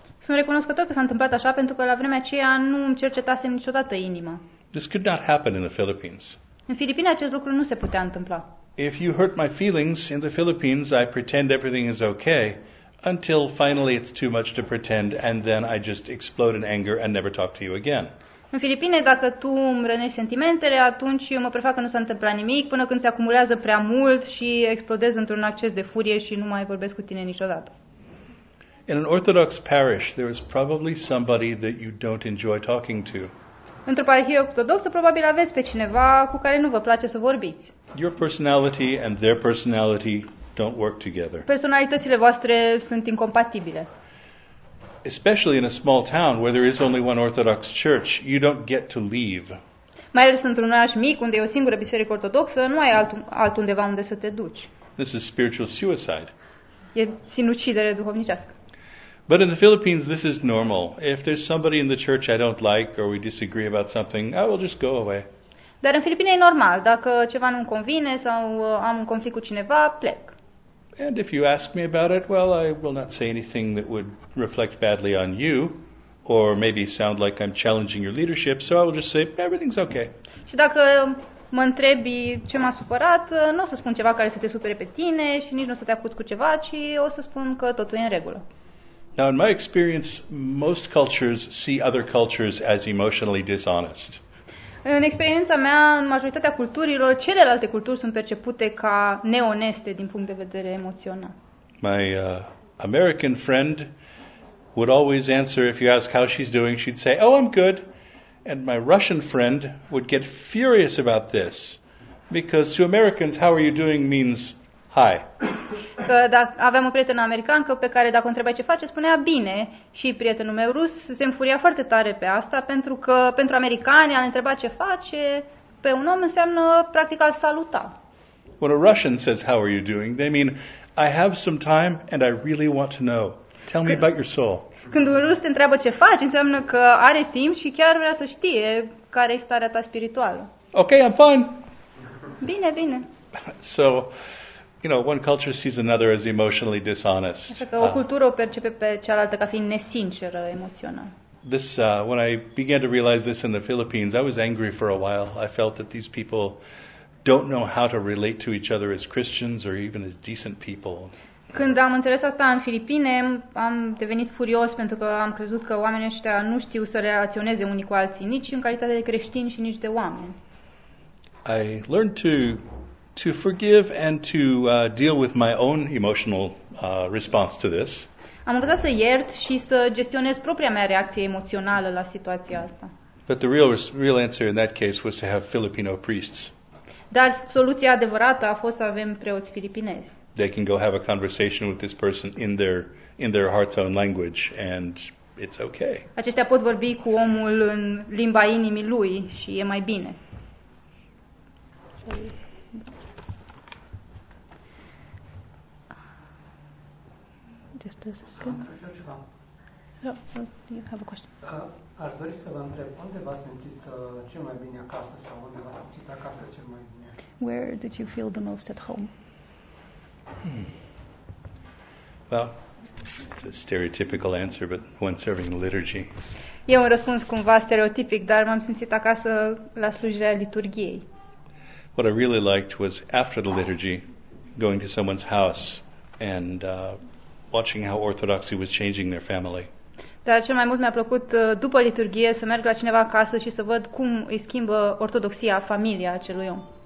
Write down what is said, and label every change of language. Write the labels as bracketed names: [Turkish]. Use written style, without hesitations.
[Romanian] Sunt recunoscător că s-a întâmplat așa pentru că la vremea aceea nu îmi cercetasem niciodată inima. [English] This could not happen in the Philippines. [Romanian] În Filipine acest lucru nu se putea întâmpla. [English] If you hurt my feelings in the Philippines, I pretend everything is okay. Until finally it's too much to pretend and then I just explode in anger and never talk to you again. [Romanian] În Filipine, dacă tu îmi rănești sentimentele, atunci eu mă prefac că nu s-a întâmplat nimic până când se acumulează prea mult și explodez într-un acces de furie și nu mai vorbesc cu tine niciodată. [English] In an Orthodox parish, there is probably somebody that you don't enjoy talking to. [Romanian] Într-o parohie ortodoxă, probabil aveți pe cineva cu care nu vă place să vorbiți. [English] Your personality and their personality don't work together. [Romanian] Personalitățile voastre sunt incompatibile. [English] Especially in a small town where there is only one Orthodox church, you don't get to leave. [Romanian] Mai ales într-un oraș mic unde e o singură biserică ortodoxă, nu ai altundeva unde să te duci. [English] This is spiritual suicide. [Romanian] E sinucidere duhovnicească. [English] But in the Philippines this is normal. If there's somebody in the church I don't like or we disagree about something, I will just go away. [Romanian] Dar în Filipine e normal, dacă ceva nu-mi convine sau am un conflict cu cineva, plec. [English] And if you ask me about it, well, I will not say anything that would reflect badly on you or maybe sound like I'm challenging your leadership, so I will just say everything's okay. [Romanian] Și dacă mă întrebi ce m-a supărat, nu o să spun ceva care să te supere pe tine și nici nu o să te acuz cu ceva, ci o să spun că totul e în regulă. [English] Now, in my experience, most cultures see other cultures as emotionally dishonest. [Romanian] În experiența mea, în majoritatea culturilor, celelalte culturi sunt percepute ca neoneste din punct de vedere emoțional. [English] My American friend would always answer if you ask how she's doing, she'd say, "Oh, I'm good." And my Russian friend would get furious about this because to Americans, "How are you doing?" means Hi. [Romanian] Că dacă aveam o prietenă americană pe care dacă o întrebai ce face, spunea bine. Și prietenul meu rus se înfuria foarte tare pe asta, pentru că pentru americani a întreba ce face pe un om înseamnă practic a-l saluta. [English] When a Russian says how are you doing, they mean I have some time and I really want to know. Tell me about your soul. [Romanian] Când un rus te întreabă ce faci, înseamnă că are timp și chiar vrea să știe care e starea ta spirituală. [English] Okay, I'm fine. [Romanian] Bine, bine. [English] So, you know, one culture sees another as emotionally dishonest. [Romanian] Așa că o cultură o percepe pe cealaltă ca fiind nesinceră emoțional. [English] This when I began to realize this in the Philippines, I was angry for a while. I felt that these people don't know how to relate to each other as Christians or even as decent people. [Romanian] Când am înțeles asta în Filipine, am devenit furios pentru că am crezut că oamenii ăștia nu știu să relaționeze unii cu alții, nici în calitate de creștini și nici de oameni. [English] I learned to forgive and to deal with my own emotional response to this. [Romanian] Am învățat să iert și să gestionez propria mea reacție emoțională la situația asta. [English] But the real answer in that case was to have Filipino priests. [Romanian] Dar soluția adevărată a fost să avem preoți filipinezi. [English] They can go have a conversation with this person in their heart's own language and it's okay. [Romanian] Aceștia pot vorbi cu omul în limba inimii lui și e mai bine. [English] Just a second. You have a question. [Romanian] Aș dori să vă întreb unde v-ați simțit cel mai bine acasă sau unde v-ați simțit acasă cel mai bine? [English] Where did you feel the most at home? Well, it's a stereotypical answer, but when serving the liturgy. [Romanian] E un răspuns cumva stereotipic, dar m-am simțit acasă la slujirea liturgiei. [English] What I really liked was after the liturgy, going to someone's house and watching how Orthodoxy was changing their family. [Romanian] Dar cel mai mult mi-a plăcut după liturgie să merg la cineva acasă și să văd cum îi schimbă Ortodoxia familia acelui om.